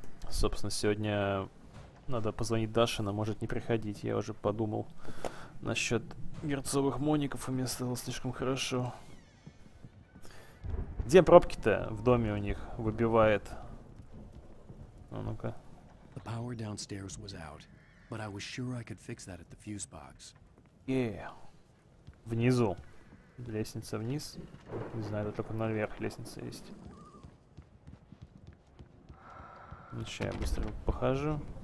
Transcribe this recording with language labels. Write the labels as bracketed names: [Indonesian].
[Russian] Собственно, сегодня надо позвонить Даше, она может не приходить. Я уже подумал насчет герцовых моников, и мне стало слишком хорошо. Где пробки-то в доме у них выбивает? А ну-ка. [English] The power downstairs was out, but I was sure I could fix that at the fuse box. [Russian] Внизу. Лестница вниз. Не знаю, это только наверх лестница есть. Ну, сейчас я быстро похожу.